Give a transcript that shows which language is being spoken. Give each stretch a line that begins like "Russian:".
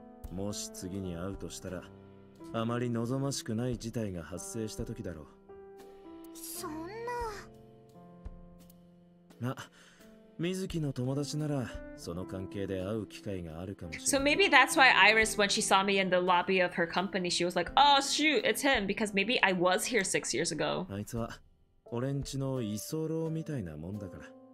Japanese: もし次に会うとしたら、あまり望ましくない事態が発生した時だろう。そんな。まあ、水木の友達ならその関係で会う機会があるかもしれない。
English: So maybe that's why Iris, when she saw me in the lobby of her company, she was like, "Oh shoot, it's him," because maybe I was here 6 years ago.
Japanese: あいつは。俺んちの居候みたいなもんだから。